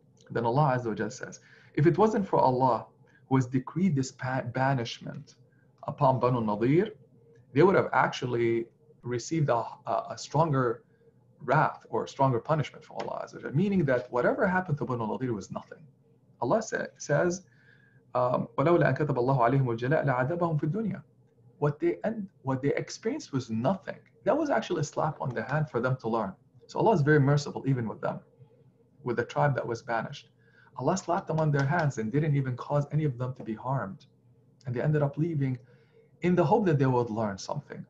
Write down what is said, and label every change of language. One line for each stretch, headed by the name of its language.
English: Then Allah Azza wa Jalla says, if it wasn't for Allah who has decreed this banishment upon Banu Nadir, they would have actually received a stronger wrath or stronger punishment from Allah Azza wa Jalla, meaning that whatever happened to Banu Nadir was nothing. Allah says,
Arabic: وَلَوْلَا أَنْ كَتَبَ اللَّهُ عَلَيْهِمُ الْجَلَاءَ لَعَذَّبَهُمْ فِي الدُّنْيَا.
English: What they experienced was nothing. That was actually a slap on the hand for them to learn. So Allah is very merciful even with them, with the tribe that was banished. Allah slapped them on their hands and didn't even cause any of them to be harmed. And they ended up leaving in the hope that they would learn something.